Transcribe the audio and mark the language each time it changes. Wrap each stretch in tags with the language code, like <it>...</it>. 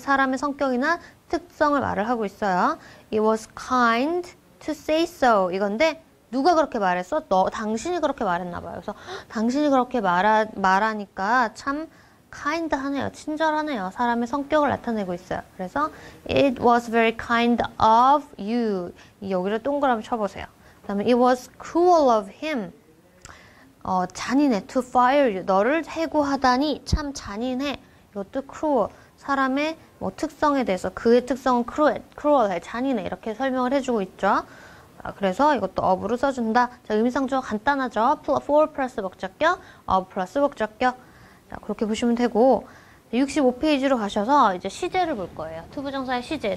<ko>사람의 성격이나 특성을 말을 하고 있어요.</ko> <en>It was kind to say so.</en> <ko>이건데 누가 그렇게 말했어? 너, 당신이 그렇게 말했나 봐요. 그래서 당신이 그렇게 말하니까 참 kind 하네요. 친절하네요. 사람의 성격을 나타내고 있어요. 그래서</ko> <en>it was very kind of you.</en> <ko>여기를 동그라미 쳐보세요. 그 다음에</ko> <en>it was cruel of him.</en> <ko>잔인해.</ko> <en>to fire you.</en> <ko>너를 해고하다니 참 잔인해. 이것도 cruel. 사람의 뭐 특성에 대해서 그의 특성은 cruel해, 잔인해 이렇게 설명을 해주고 있죠. 아, 그래서 이것도 of로 써준다. 자, 의미상조가 간단하죠. for 플러스 목적격, of 플러스 목적격. 자, 그렇게 보시면 되고 65페이지로 가셔서 이제 시제를 볼 거예요. to 부정사의 시제.</ko>